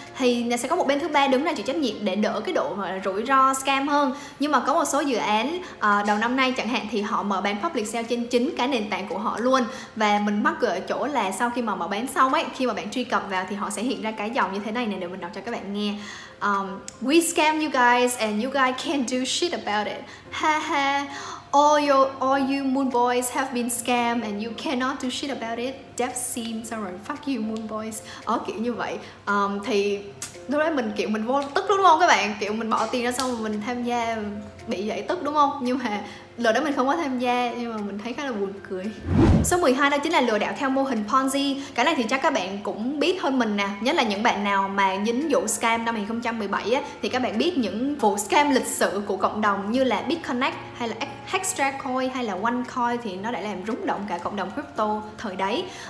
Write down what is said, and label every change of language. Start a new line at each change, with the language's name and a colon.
Vietnamese: Thì sẽ có một bên thứ ba đứng ra chịu trách nhiệm để đỡ cái độ rủi ro scam hơn. Nhưng mà có một số dự án đầu năm nay chẳng hạn thì họ mở bán public sale trên chính cái nền tảng của họ luôn, và mình mắc cửa ở chỗ là sau khi mà mở bán xong ấy, khi mà bạn truy cập vào thì họ sẽ hiện ra cái dòng như thế này này, để mình đọc cho các bạn nghe.
English: We scam you guys and you guys can't do shit about it. Ha ha. All you moon boys have been scammed and you cannot do shit about it. Death scene, sorry, fuck you moon boys.
Vietnamese: Ở kiểu như vậy. Thì lúc đấy mình kiểu mình vô tức đúng không các bạn? Kiểu mình bỏ tiền ra xong mình tham gia bị vậy tức đúng không? Nhưng mà lần đó mình không có tham gia, nhưng mà mình thấy khá là buồn cười. Số 12 đó chính là lừa đảo theo mô hình Ponzi. Cái này thì chắc các bạn cũng biết hơn mình nè, nhất là những bạn nào mà dính vụ scam năm 2017 á, thì các bạn biết những vụ scam lịch sử của cộng đồng như là BitConnect hay là Hextracoin hay là OneCoin, thì nó đã làm rúng động cả cộng đồng crypto thời đấy.